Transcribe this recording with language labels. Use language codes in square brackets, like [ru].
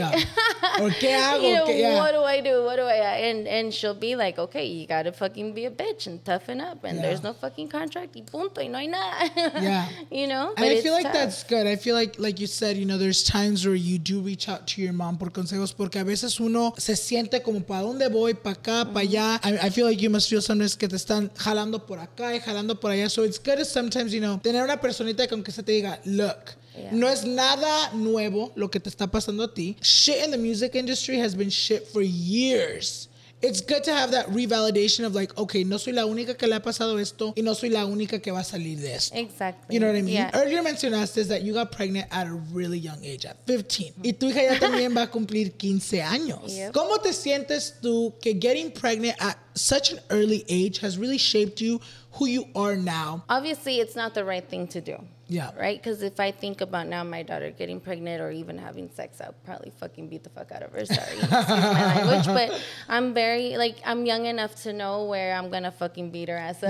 [en] What do I do? And she'll be like, okay, you gotta fucking be a bitch and toughen up. And there's no fucking contract. [es] Y punto. Y no hay nada. [en] Yeah. You know? And but I feel like tough. That's good. I feel like you said, you know, there's times where you do reach out to your mom [es] por consejos. Porque a veces uno se siente como, ¿para dónde voy? ¿Para acá? ¿Para allá? [en] I feel like you must feel sometimes [es] que te están jalando por acá y jalando por allá. [en] So it's good to sometimes, you know, [es] tener una personita con que se te diga, look. No es nada nuevo lo que te está pasando a ti. [en] Shit in the music industry has been shit for years. It's good to have that revalidation of like, okay, [es] no soy la única que le ha pasado esto y no soy la única que va a salir de esto. [en] Exactly. You know what I mean? Yeah. Earlier [es] mencionaste [en] that you got pregnant at a really young age, at 15. [es] Mm-hmm. Y tu hija ya también va a cumplir 15 años. [en] Yep. [es] ¿Cómo te sientes tú que [en] getting pregnant at such an early age has really shaped you, who you are now? Obviously, it's not the right thing to do. Yeah. Right? Because if I think about now my daughter getting pregnant or even having sex, I'll probably fucking beat the fuck out of her. Sorry. Excuse my language. But I'm very, like, I'm young enough to know where I'm going to fucking beat her ass up.